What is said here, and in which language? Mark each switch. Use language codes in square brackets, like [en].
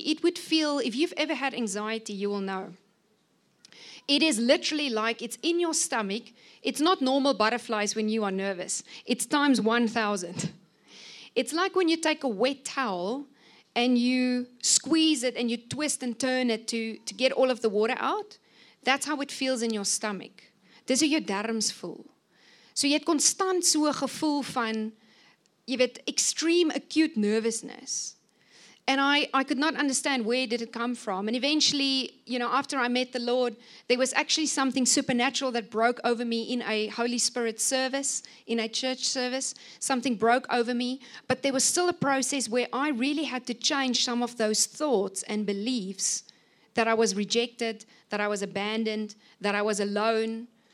[en] It would feel, if you've ever had anxiety, you will know. It is literally like it's in your stomach. It's not normal butterflies when you are nervous. It's times 1,000. It's like when you take a wet towel and you squeeze it and you twist and turn it to get all of the water out. That's how it feels in your stomach. [af] Dis hoe jou darms voel. So jy het konstant so 'n gevoel van, jy weet, [en] extreme acute nervousness. And I could not understand where did it come from. And eventually, you know, after I met the Lord, there was actually something supernatural that broke over me in a Holy Spirit service, in a church service. Something broke over me. But there was still a process where I really had to change some of those thoughts and beliefs that I was rejected, that I was abandoned, that I was alone.